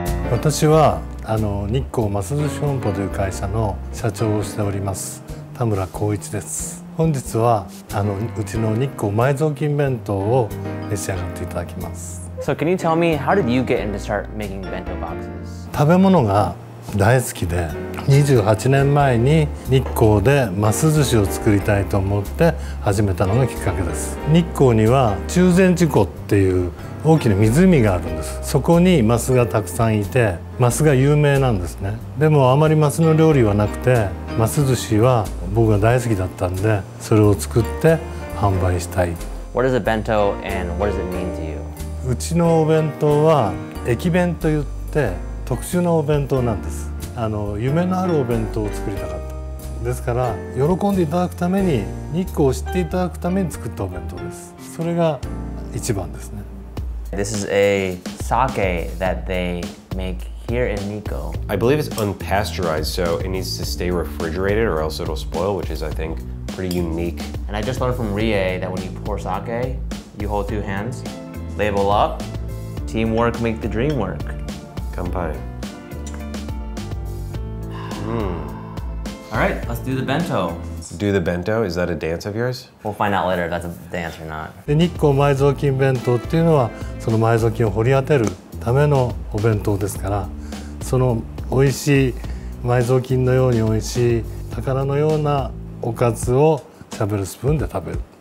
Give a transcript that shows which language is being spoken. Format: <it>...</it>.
<ja>私はあの日光ます寿司本舗という会社の社長をしております田村光一です。本日はうちの日光埋蔵金弁当を召し上がっていただきます。</ja> <en>So can you tell me, how did you get into start making bento boxes?</en> <ja>食べ物が大好きで、28年前に日光でます寿司を作りたいと思って始めたのがきっかけです。日光には中禅寺湖っていう大きな湖があるんです。そこにマスがたくさんいて、マスが有名なんですね。でもあまりマスの料理はなくて、マス寿司は僕が大好きだったんで、それを作って販売したい。</ja> <en>What is a bento and what does it mean to you?</en> <ja>うちのお弁当は駅弁といって特殊なお弁当なんです。夢のあるお弁当を作りたかった。ですから喜んでいただくために、日光を知っていただくために作ったお弁当です。それが一番ですね。</ja> <en>This is a sake that they make here in Nikko. I believe it's unpasteurized, so it needs to stay refrigerated or else it'll spoil, which is, I think, pretty unique. And I just learned from Rie that when you pour sake, you hold two hands, label up, teamwork make the dream work. Kanpai. All right, let's do the bento. Do the bento? Is that a dance of yours? We'll find out later if that's a dance or not.</en> <ja>The 日光埋蔵金弁当っていうのは、その埋蔵金を掘り当てるためのお弁当ですから、その美味しい埋蔵金のように美味しい宝のようなおかずをしゃべるスプーンで食べる。</ja>